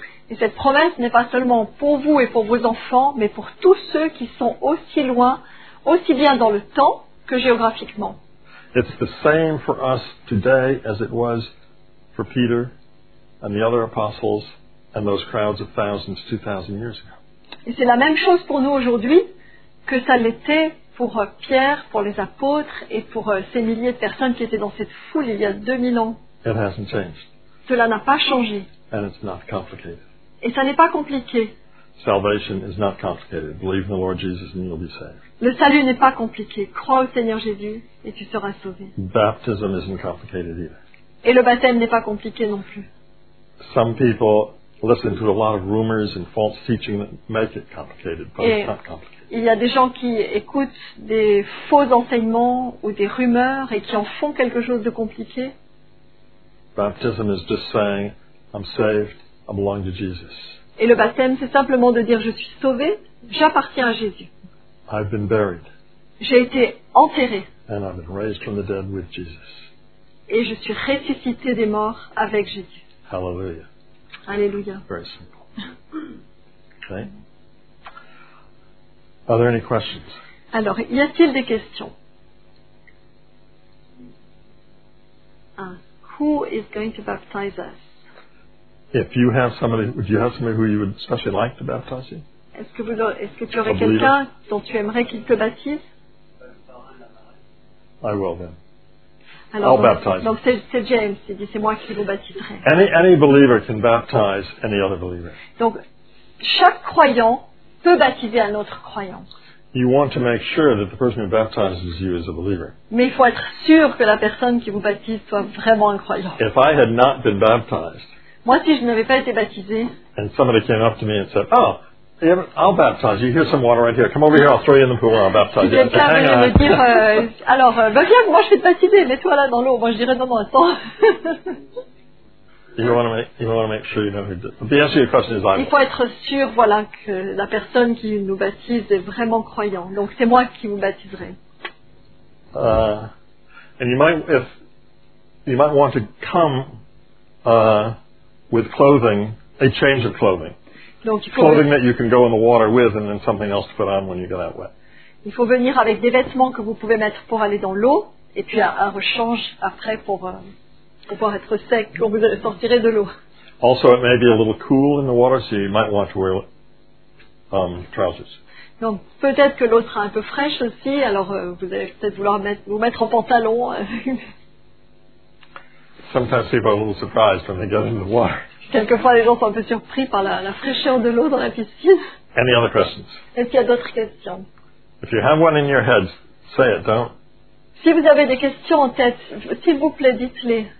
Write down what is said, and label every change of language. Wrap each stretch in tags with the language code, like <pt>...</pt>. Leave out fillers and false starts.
<fr>Et cette promesse n'est pas seulement pour vous et pour vos enfants, mais pour tous ceux qui sont aussi loin, aussi bien dans le temps que géographiquement.</fr> <en>It's the same for us today as it was for Peter and the other apostles and those crowds of thousands 2,000 years ago.</en> <fr>Et c'est la même chose pour nous aujourd'hui que ça l'était pour Pierre, pour les apôtres et pour ces milliers de personnes qui étaient dans cette foule il y a 2000 ans.</fr> <en>It hasn't changed.</en> <fr>Cela n'a pas changé.</fr> <en>And it's not complicated.</en> <fr>Et ça n'est pas compliqué.</fr> <en>Salvation is not complicated. Believe in the Lord Jesus and you'll be saved.</en> <fr>Le salut n'est pas compliqué. Crois au Seigneur Jésus et tu seras sauvé.</fr> <en>Baptism isn't complicated either.</en> <fr>Et le baptême n'est pas compliqué non plus.</fr> <en>Some people listen to a lot of rumors and false teaching that make it complicated, but</en> <fr>et</fr> <en>it's not complicated.</en> <fr>Il y a des gens qui écoutent des faux enseignements ou des rumeurs et qui en font quelque chose de compliqué.</fr> <en>Baptism is just saying, I'm saved, I belong to Jesus.</en> <fr>Et le baptême, c'est simplement de dire, je suis sauvé, j'appartiens à Jésus.</fr> <en>I've been buried.</en> <fr>J'ai été enterré.</fr> <en>And I've been raised from the dead with Jesus.</en> <fr>Et je suis ressuscité des morts avec Jésus.</fr> <en>Hallelujah.</en> <fr>Alléluia.</fr> <en>Very simple. Okay. Are there any questions?</en> <fr>Alors, y a-t-il des questions?</fr> <en>Who is going to baptize us? If you have somebody, would you have somebody who you would especially like to baptize you?</en> <fr>Est-ce que tu aurais quelqu'un dont tu aimerais qu'il te baptise?</fr> <en>I will then.</en> <fr>Alors,</fr> <en>I'll baptize.</en> <fr>Donc c'est James, il dit c'est moi qui vous baptiserai.</fr> <en>Any believer can baptize any other believer.</en> <fr>Donc chaque croyant peut baptiser un autre croyant.</fr> <en>You want to make sure that the person who baptizes you is a believer.</en> <fr>Mais il faut être sûr que la personne qui vous baptise soit vraiment un croyant.</fr> <en>If I had not been baptized.</en> <fr>Moi si je n'avais pas été baptisé.</fr> <en>And somebody came up to me and said, oh. I'll baptize you. Here's some water right here. Come over here. I'll throw you in the pool. I'll baptize you.</en> <fr>Si quelqu'un venait me dire, alors, ben viens, moi je vais te baptiser. Mets-toi là dans l'eau. Moi je dirais non, non, attends.</fr> <en>You want to make sure you know who did. The answer to your question is I.</en> <fr>Il faut être sûr, voilà, que la personne qui nous baptise est vraiment croyant. Donc c'est moi qui vous baptiserai.</fr> <en>And you might want to come with clothing, a change of clothing.</en> <fr>Donc,</fr> <en>clothing that you can go in the water with, and then something else to put on when you get out wet.</en> <fr>Il faut venir avec des vêtements que vous pouvez mettre pour aller dans l'eau, et puis un rechange après pour pouvoir être sec quand vous sortirez de l'eau.</fr> <en>Also, it may be a little cool in the water, so you might want to wear trousers.</en> <fr>Donc peut-être que l'eau sera un peu fraîche aussi, alors vous allez peut-être vouloir vous mettre en pantalon.</fr> <en>Sometimes people are a little surprised when they get in the water.</en> <fr>Quelquefois, les gens sont un peu surpris par la fraîcheur de l'eau dans la piscine.</fr> <en>Any other questions?</en> <fr>Est-ce qu'il y a d'autres questions?</fr> <en>If you have one in your head, say it, don't.</en> <fr>Si vous avez des questions en tête, s'il vous plaît, dites-les.</fr>